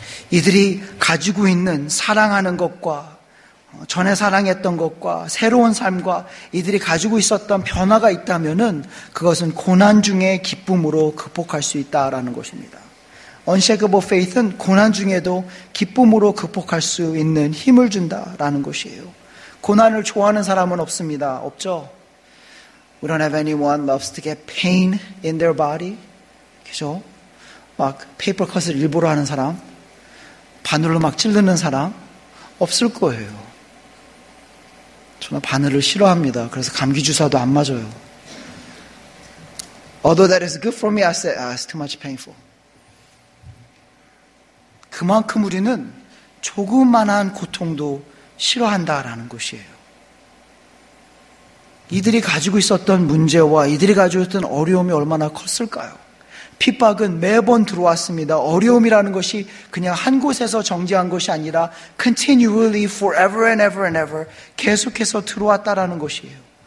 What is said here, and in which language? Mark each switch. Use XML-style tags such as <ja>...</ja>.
<ko>이들이 가지고 있는 사랑하는 것과 전에 사랑했던 것과 새로운 삶과 이들이 가지고 있었던 변화가 있다면은 그것은 고난 중에 기쁨으로 극복할 수 있다라는 것입니다. Unshakable faith은 고난 중에도 기쁨으로 극복할 수 있는 힘을 준다라는 것이에요. 고난을 좋아하는 사람은 없습니다. 없죠?</ko> <en>We don't have anyone loves to get pain in their body.</en> <ko>그죠? 막 paper cut을 일부러 하는 사람, 바늘로 막 찌르는 사람 없을 거예요. 저는 바늘을 싫어합니다. 그래서 감기 주사도 안 맞아요.</ko> <en>Although that is good for me, I said, it's too much painful.</en> <ko>그만큼 우리는 조그만한 고통도 싫어한다라는 것이에요. 이들이 가지고 있었던 문제와 이들이 가지고 있었던 어려움이 얼마나 컸을까요? 핍박은 매번 들어왔습니다. 어려움이라는 것이 그냥 한 곳에서 정지한 것이 아니라</ko> <en>continually, forever and ever and ever</en> <ko>계속해서 들어왔다라는 것이에요.</ko>